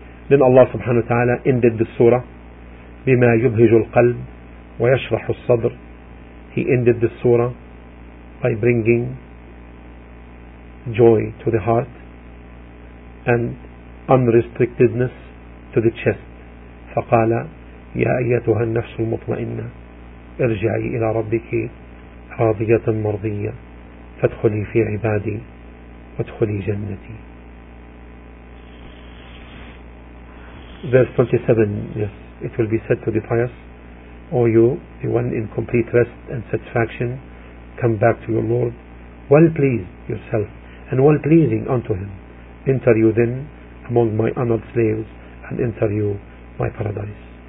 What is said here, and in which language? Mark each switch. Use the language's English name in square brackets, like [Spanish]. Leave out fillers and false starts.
[English] Then Allah subhanahu wa ta'ala ended the surah [Arabic] bima yubhiju al-qalb wa yashrahu al-sadr. [English] He ended the surah by bringing joy to the heart and unrestrictedness to the chest. [Arabic] فقال يا أيتها النفس المطمئنة ارجعي إلى ربك راضية مرضية فادخلي في عبادي وادخلي جنتي. [English] Verse 27, yes, it will be said to the pious, O you, the one in complete rest and satisfaction, come back to your Lord, well pleased yourself and well pleasing unto him. Enter you then among my honored slaves and enter you my paradise.